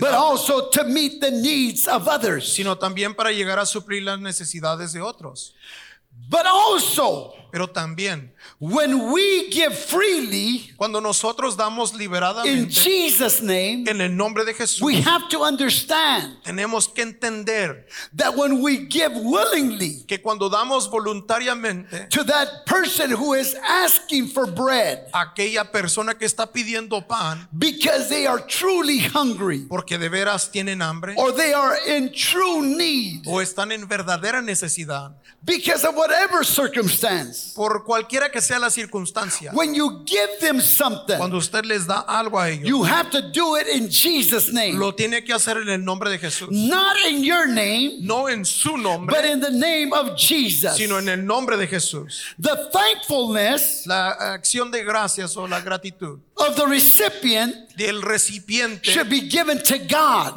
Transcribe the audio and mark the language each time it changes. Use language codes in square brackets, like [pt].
[en] but also to meet the needs of others, [es] sino también para llegar a suplir las necesidades de otros. [en] But also, [es] pero también, [en] when we give freely, [es] cuando nosotros damos liberadamente, [en] in Jesus' name, [es] en el nombre de Jesús, [en] we have to understand, [es] tenemos que entender, [en] that when we give willingly, [es] que cuando damos voluntariamente, [en] to that person who is asking for bread, [es] aquella persona que está pidiendo pan, [en] because they are truly hungry, [es] porque de veras tienen hambre, [en] or they are in true need, [es] o están en verdadera necesidad, [en] because of whatever circumstance, [es] por cualquiera que sea la circunstancia, [en] when you give them something, [es] cuando usted les da algo a ellos, [en] you have to do it in Jesus' name, [es] lo tiene que hacer en el nombre de Jesús, [en] not in your name, [es] no en su nombre, [en] but in the name of Jesus, [es] sino en el nombre de Jesús. [en] The thankfulness, [es] la acción de gracias o la gratitud, [en] of the recipient, [es] del recipiente, [en] should be given to God,